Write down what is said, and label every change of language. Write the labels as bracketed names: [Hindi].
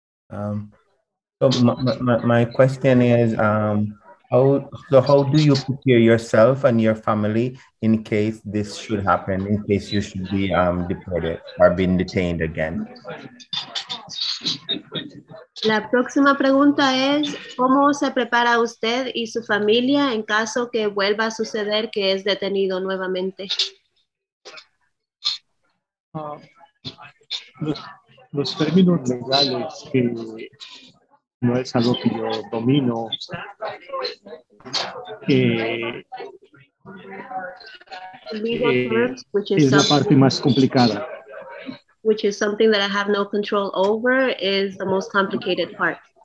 [English] So my question is, how do you prepare yourself and your family in case this should happen, in case you should be deported or being detained again? [Spanish] La próxima pregunta es, ¿cómo se prepara usted y su familia en caso que vuelva a suceder que es detenido nuevamente? Los términos legales, que no es algo que yo domino, es la parte más complicada. [English] Which is something that I have no control over, is the most complicated part.